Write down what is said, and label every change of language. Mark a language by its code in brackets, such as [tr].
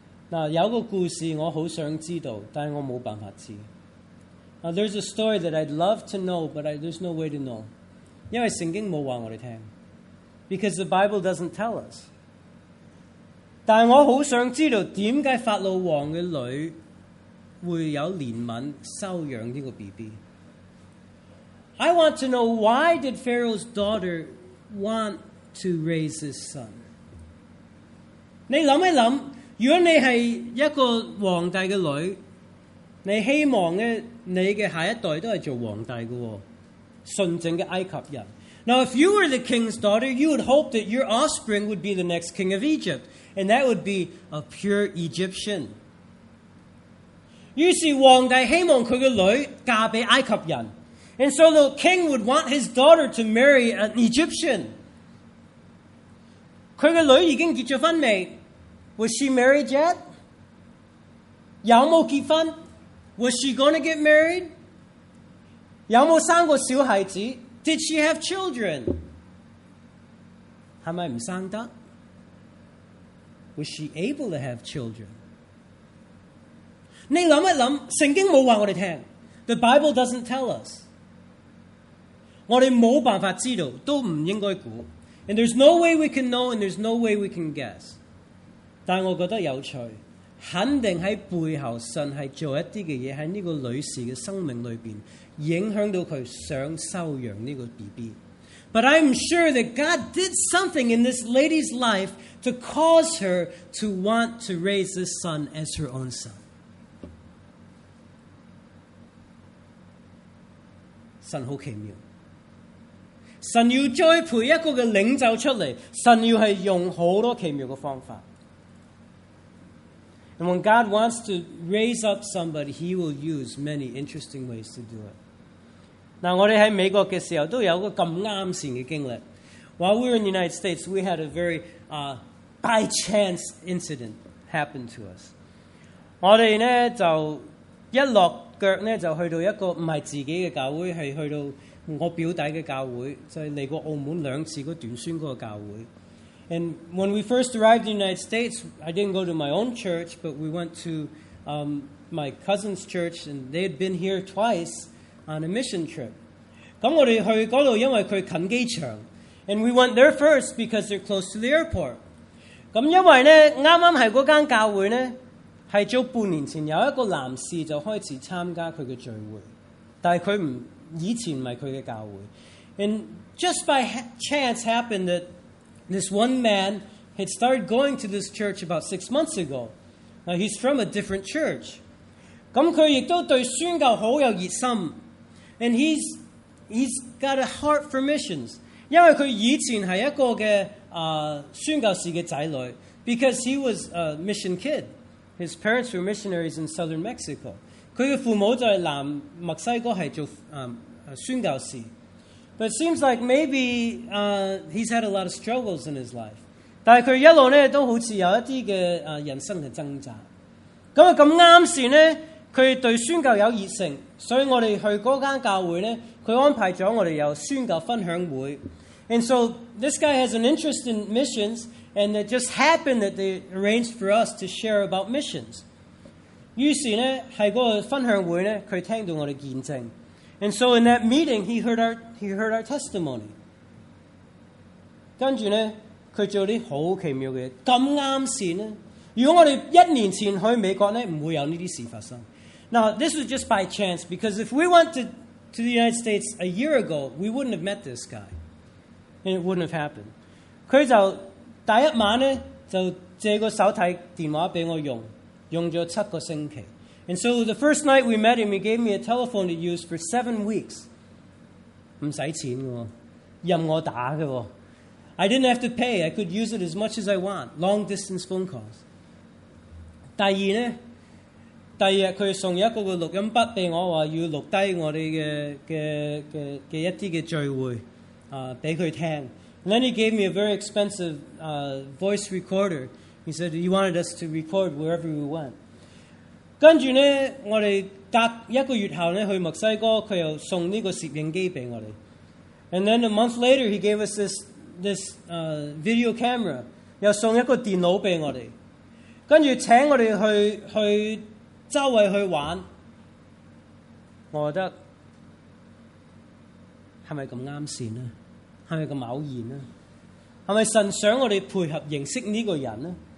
[yue] Now, 有个故事我好想知道，但我冇办法知。 [en] Now, there's a story that I'd love to know, but there's no way to know. [yue] 因为圣经冇话我哋听。 [en] Because the Bible doesn't tell us. [yue] 但我好想知道点解法老王嘅女会有怜悯收养这个 BB。 [en] I want to know, why did Pharaoh's daughter want to raise his son? [yue] 你想一想，如果你是一个皇帝的女，你希望你的下一代都是做皇帝的，纯正的埃及人。 [en] Now if you were the king's daughter, you would hope that your offspring would be the next king of Egypt, and that would be a pure Egyptian. [yue] 於是皇帝希望他的女兒嫁給埃及人。 [en] And so the king would want his daughter to marry an Egyptian. [yue] 他的女兒已經結了婚沒？ [en] Was she married yet? [yue] 有沒有結婚？ [en] Was she going to get married? [yue] 有沒有生過小孩子？ [en] Did she have children? [yue] 是不是不生得？ [en] Was she able to have children? [yue] 你想一想，圣经没告诉我们， [en] The Bible doesn't tell us. [yue] 我们没办法知道，都不应该估。 [en] And there's no way we can know, and there's no way we can guess. [yue] 但我觉得有趣，肯定在背后神是做一些的事，在这个女士的生命里面影响到她想收养这个 BB。 [en] But I'm sure that God did something in this lady's life to cause her to want to raise this son as her own son. [yue] 神好奇妙，神要栽培一个嘅领袖出嚟，神要系用好多奇妙嘅方法。 [en] And when God wants to raise up somebody, He will use many interesting ways to do it. [yue] 嗱，我哋喺美国嘅时候都有个咁啱善嘅经历。 [en] While we were in the United States, we had a very by chance incident happen to us. [yue] 我哋咧就一落。腳就去到一個不是自己的教會，是去到我表弟的教會，就是來過澳門兩次的短宣的教會。 [en] And when we first arrived in the United States, I didn't go to my own church, but we went to my cousin's church, and they had been here twice on a mission trip. [yue] 那我們去那裡因為他近機場， [en] And we went there first because they're close to the airport. [yue] 那因為呢剛剛是那間教會呢是做半年前有一个男士就开始参加他的聚会，但是他以前不是他的教会。 [en] And just by chance happened that this one man had started going to this church about 6 months ago. Now he's from a different church. [yue] 那他也对宣教很有热心。 [en] And he's got a heart for missions. [yue] 因为他以前是一个的宣教士的仔女， [en] because he was a mission kid. His parents were missionaries in southern Mexico. [yue] 他的父母在南墨西哥是做宣教士。 [en] But it seems like maybe he's had a lot of struggles in his life. [yue] 但他一路呢都好像有一些的人生的挣扎。那么刚才呢他对宣教有热诚，所以我们去那间教会呢他安排了我们有宣教分享会。 [en] And so this guy has an interest in missions,And it just happened that they arranged for us to share about missions. [yue] 於是呢，喺嗰個分享會呢，佢聽到我哋見證。 [en] And so in that meeting, he heard our testimony. [yue] 跟住呢，佢做啲好奇妙嘅，咁啱先呢。如果我哋一年前去美國呢，唔會有呢啲事發生。 [en] Now, this was just by chance, because if we went to the United States a year ago, we wouldn't have met this guy. And it wouldn't have happened. [yue] 佢就第一晚呢就借个手提电话俾我用，用咗7个星期。 [en] And so the first night we met him, he gave me a telephone to use for 7 weeks. [yue] 不用錢的, 任我打的, [en] I didn't have to pay. I could use it as much as I want. Long distance phone calls. [yue] 第二呢, 第二他送一個錄音筆給我, 說要錄下我們的一些聚會, 給他聽。 [en] And then he gave me a very expensive voice recorder. He said he wanted us to record wherever we went. [yue] 跟住呢, 我們隔一個月後呢, 去墨西哥, 他又送這個攝影機給我們。 [en] And then a month later, he gave us this video camera. [yue] 又送一個電腦給我們。跟住請我們去周圍去玩。我覺得, 是不是這麼適合呢?是不是這麼偶然呢? 是不是神想我們配合認識這個人呢?